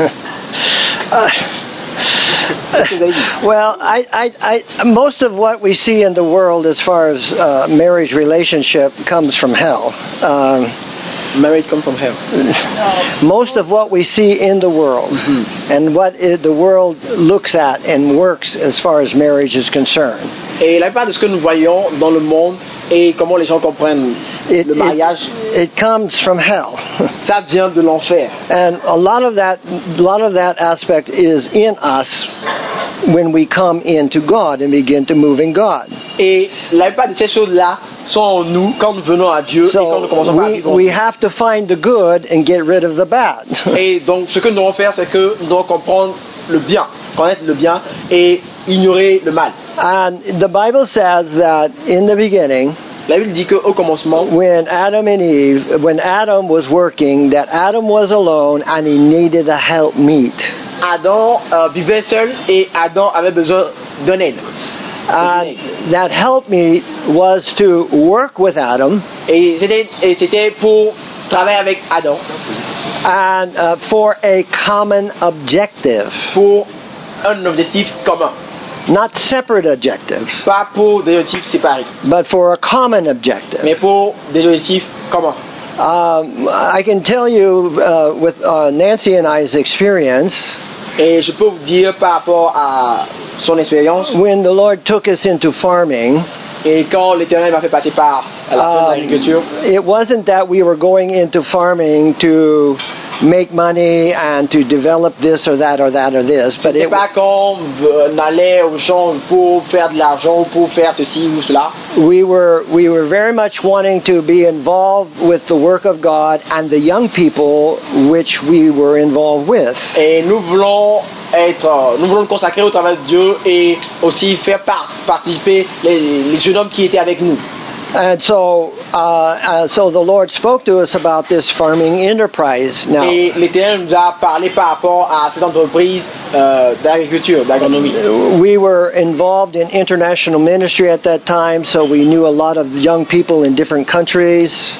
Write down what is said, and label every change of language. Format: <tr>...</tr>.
<en>Well, I most of what we see in the world as far as marriage relationship comes from hell. Married come from hell. Most of what we see in the world mm-hmm. and what the world looks at and works as far as marriage is concerned.</en> <fr>Et la plupart de ce que nous voyons dans le monde et comment les gens comprennent le mariage.</fr> <en>It comes from hell.</en> <fr>Ça vient de l'enfer.</fr> <en>And a lot of that aspect is in us when we come into God and begin to move in God.</en> <fr>Et la plupart de ces choses-là sont en nous quand nous venons à Dieu</fr> <en>so</en> <fr>et quand nous commençons</fr> <en>we,</en> <fr>à vivre.</fr> <en>We have to find the good and get rid of the bad.</en> <fr>Et donc ce que nous devons faire, c'est que nous devons comprendre le bien, connaître le bien et ignorer le mal.</fr> <en>And the Bible says that in the beginning,</en> <fr>la Bible dit que au commencement,</fr> <en>when Adam was working, that Adam was alone and he needed a helpmeet.</en> <fr>Adam vivait seul et Adam avait besoin d'un aide.</fr> <en>And that helpmeet was to work with Adam.</en> <fr>Et c'était pour travailler avec Adam.</fr> <en>And for a common objective.</en> <fr>Pour un objectif commun.</fr> <en>Not separate objectives.</en> <fr>Pas pour des objectifs séparés.</fr> <en>But for a common objective.</en> <fr>Mais pour des objectifs communs.</fr> <en>I can tell you with Nancy and I's experience.</en> <fr>Et je peux vous dire par rapport à son expérience.</fr> <en>When the Lord took us into farming,</en> <fr>et quand l'Éternel m'a fait passer par à la fin de l'agriculture,</fr> <en>it wasn't that we were going into farming to make money and to develop this or that or that or this.</en> <fr>But c'était pas qu'on allait aux gens pour faire de l'argent ou pour faire ceci ou cela.</fr> <en>We were very much wanting to be involved with the work of God and the young people which we were involved with.</en> <fr>Et nous voulons consacrer au travail de Dieu et aussi faire participer les jeunes hommes qui étaient avec nous.</fr> <en>And so, so the Lord spoke to us about this farming enterprise. Now,</en> <fr>et l'Éternel nous a parlé par rapport à cette entreprise d'agriculture, d'agronomie.</fr> <en>We were involved in international ministry at that time, so we knew a lot of young people in different countries.</en>